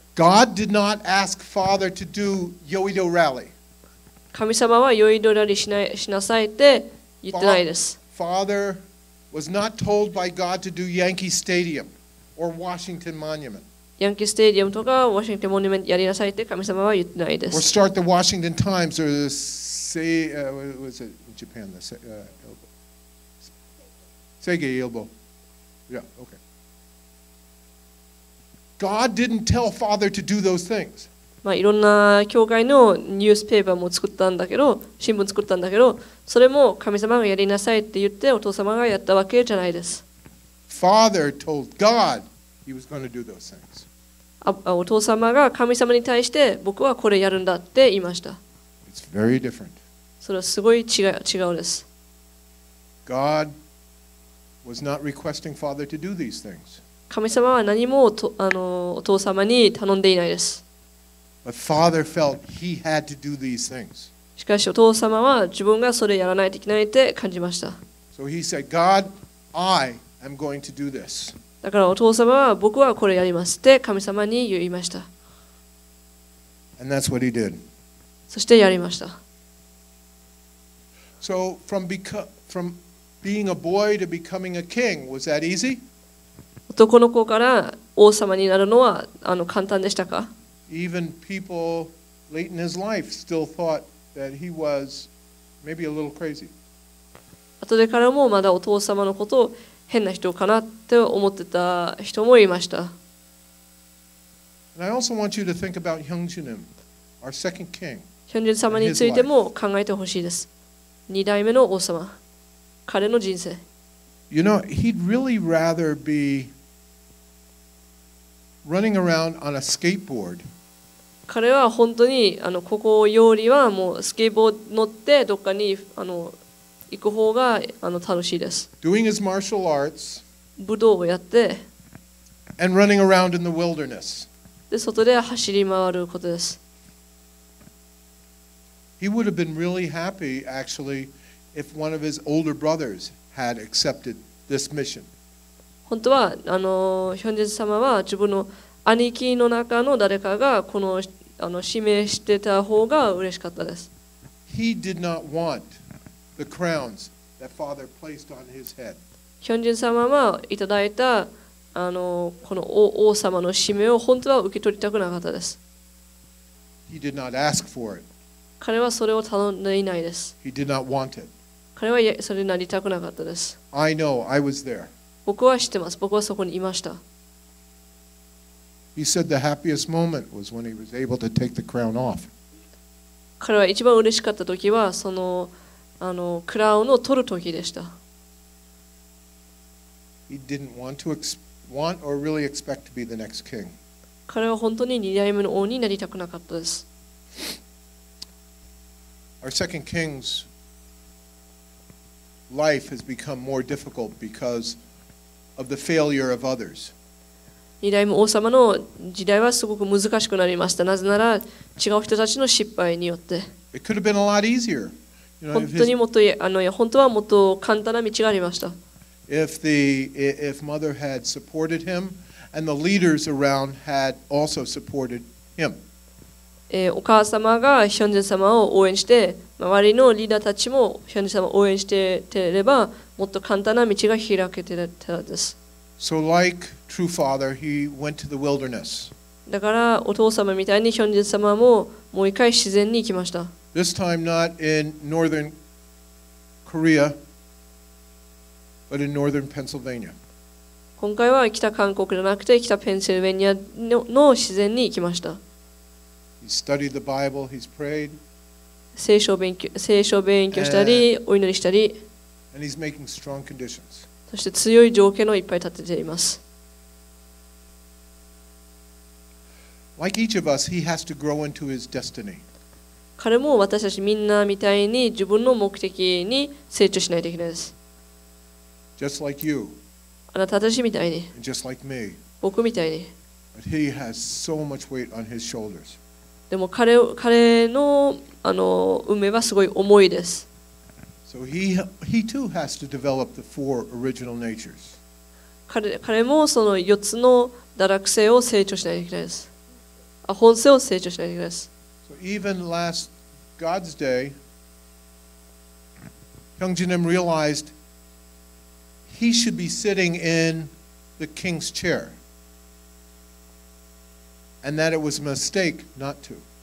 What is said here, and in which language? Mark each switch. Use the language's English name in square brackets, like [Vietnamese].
[English] God did not ask Father to do Yoido rally. [Japanese] 神様はヨイドラリーしなさいって言ってないです。 [English] Father was not told by God to do Yankee Stadium or Washington Monument. [Japanese] ヤンキースタジアムとかワシントンモニュメントやりなさいって神様は言ってないです。 [English] Or start the Washington Times or the was it in Japan the Elbo? Seigi Elbo. Yeah, okay. God didn't tell Father to do those things. [Japanese] まあ、いろんな教会のニュースペーパーも作ったんだけど、新聞作ったんだけど、それも神様がやりなさいって言ってお父様がやったわけじゃないです。 [English] Father told God he was going to do those things. [Japanese] お父様が神様に対して僕はこれやるんだって言いました。 [English] It's very different. [Japanese] それはすごい違うです。 [English] God was not requesting Father to do these things. [Japanese] 神様は何もお父様に頼んでいないです。 [English] But Father felt he had to do these things. [Japanese] しかしお父様は自分がそれをやらないといけないって感じました。 [English] So he said, God, I am going to do this. [Japanese] だからお父様は僕はこれをやりますって神様に言いました。 [English] And that's what he did. [Japanese] そしてやりました。 [English] So from being a boy to becoming a king, was that easy? [Japanese] 男の子から王様になるのは簡単でしたか? [English] Even people late in his life still thought that he was maybe a little crazy. [Japanese] 後でからもまだお父様のことを変な人かなって思ってた人もいました。 [English] And I also want you to think about Hyunjunim, our second king. [Japanese] Hyunjun 様についても考えてほしいです。二代目の王様、彼の人生。 [English] You know, he'd really rather be running around on a skateboard. [Japanese] 彼は本当にここよりはもうスケボー乗ってどっかに行く方が楽しいです。 [English] Doing his martial arts. [Japanese] 武道をやって。 [English] And running around in the wilderness. [Japanese] で、外で走り回ることです。 [English] He would have been really happy, actually, if one of his older brothers had accepted this mission. [Japanese] 本当はあのヒョンジン様は自分の兄貴の中の誰かがこの、あの、指名してた方が嬉しかったです。 [English] He did not want the crowns that father placed on his head. [Japanese] ヒョンジン様はいただいたあのこの 王様の指名を本当は受け取りたくなかったです。 [English] He did not ask for it. [Japanese] 彼はそれを頼んでいないです。 [English] He did not want it. [Japanese] 彼はそれになりたくなかったです。 [English] I know, I was there. [Japanese] 僕は知ってます。僕はそこにいました。 [English] He said the happiest moment was when he was able to take the crown off. [Japanese] 彼は一番嬉しかった時はその、あの、クラウンを取る時でした。 [English] He didn't want to want or really expect to be the next king. [Japanese] 彼は本当に二代目の王になりたくなかったです。 [English] Our second king's life has become more difficult becauseof the failure of others. [Japanese] 二代目王様の時代はすごく難しくなりました。なぜなら違う人たちの失敗によって。 [English] It could have been a lot easier. You know, [Japanese] 本当にもっとあの本当はもっと簡単な道がありました。 [English] If mother had supported him and the leaders around had also supported him. [Japanese] お母様がヒョンジン様を応援して、周りのリーダーたちもヒョンジン様を応援していれば。もっと簡単な道が開けていたのです。 [English] So like true father, he went to the wilderness. [Japanese] だからお父様みたいにヒョンジン様ももう一回自然に行きました。 [English] This time not in northern Korea, but in northern Pennsylvania. [Japanese] 今回は北韓国じゃなくて北ペンシルベニアの自然に行きました。 [English] He studied the Bible, he's prayed. [Japanese] 聖書を勉強したり、お祈りしたり。 [English] And he's making strong conditions. [Japanese] そして強い条件をいっぱい立てています。 [English] Like each of us, he has to grow into his destiny. [Japanese] 彼も私たちみんなみたいに自分の目的に成長しないといけないです。 [English] Just like you. [Japanese] あなたたちみたいに。 [English] And just like me. [Japanese] 僕みたいに。 [English] But he has so much weight on his shoulders. [Japanese] でも彼の、あの、運命はすごい重いです。 [English] So he too has to develop the four original natures. [Japanese] 彼もその4つの堕落性を成長しないといけないです。あ、本性を成長しないといけないです。 [English] So even last God's day, Hyungjinim realized he should be sitting in the king's chair. And that it was a mistake not to.